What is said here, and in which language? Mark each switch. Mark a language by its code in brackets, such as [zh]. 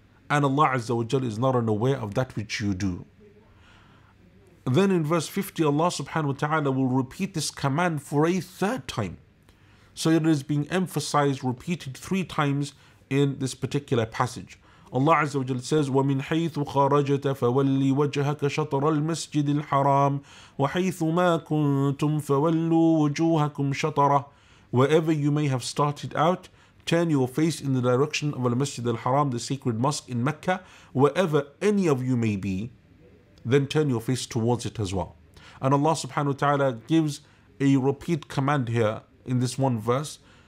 [en] And Allah Azza wa Jalla is not unaware of that which you do. Then in verse 50, Allah subhanahu wa ta'ala will repeat this command for a third time. So it is being emphasized, repeated three times in this particular passage. Allah Azza wa Jalla says, [ar] وَمِنْ حَيْثُ خَرَجَتَ فَوَلِّ وَجْهَكَ شَطْرَ الْمَسْجِدِ الْحَرَامِ وَحَيْثُ مَا كُنْتُمْ فَوَلُّوا وُجُوهَكُمْ شَطَرَهُ. [en] Wherever you may have started out, turn your face in the direction of Al-Masjid Al-Haram, the sacred mosque in Mecca. Wherever any of you may be, then turn your face towards it as well. And Allah subhanahu wa ta'ala gives a repeat command here in this one verse.